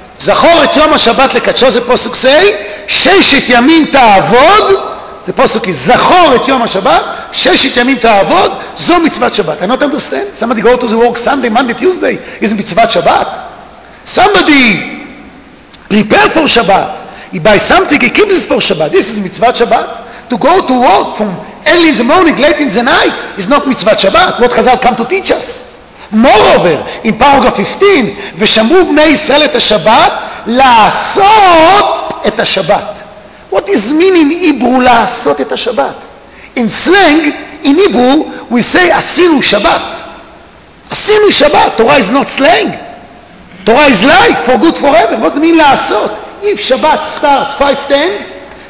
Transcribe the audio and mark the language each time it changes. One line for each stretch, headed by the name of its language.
Hebrew: זכור את יום השבת לקדשו, זה פסוק say, ששת ימים תעבוד, זה פסוק is, זכור את יום השבת, ששת ימים תעבוד, זו מצוות שבת.
English: I don't understand. Somebody go to the work Sunday, Monday, Tuesday, is מצוות שבת. Somebody prepare for Shabbat, he buys something, he keeps this for Shabbat, this is מצוות שבת. To go to work from early in the morning, late in the night, is not מצוות שבת. What Chazal come to teach us? Moreover, in paragraph 15,
Hebrew: ושמרו בני ישראל את השבת,
English: לעשות את השבת. What does mean in Hebrew, לעשות את השבת? In slang, in Hebrew, we say,
Hebrew: עשינו שבת. עשינו שבת.
English: Torah is not slang. Torah is life, for good forever. What does it mean, לעשות? If Shabbat starts 5:10,